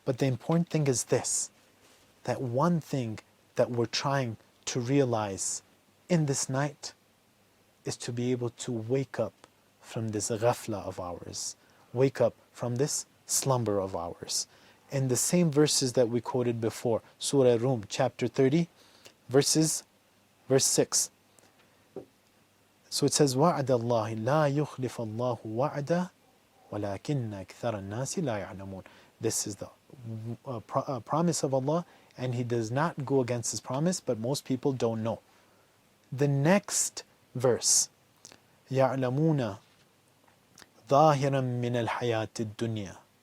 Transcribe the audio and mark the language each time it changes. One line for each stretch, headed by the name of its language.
English: But the important thing is this, that one thing that we're trying to realize in this night is to be able to wake up from this ghafla of ours, wake up from this slumber of ours. In the same verses that we quoted before, Surah Rum, chapter 30, verse 6. So it says,
Arabic: وَعَدَ اللَّهِ لَا يُخْلِفَ اللَّهُ وَعَدَ وَلَكِنَّ أَكْثَرَ النَّاسِ لَا يَعْلَمُونَ.
English: This is the promise of Allah, and He does not go against His promise, but most people don't know. The next verse,
Arabic: يَعْلَمُونَ ظَاهِرًا مِّنَ الْحَيَاةِ الدُّنْيَا.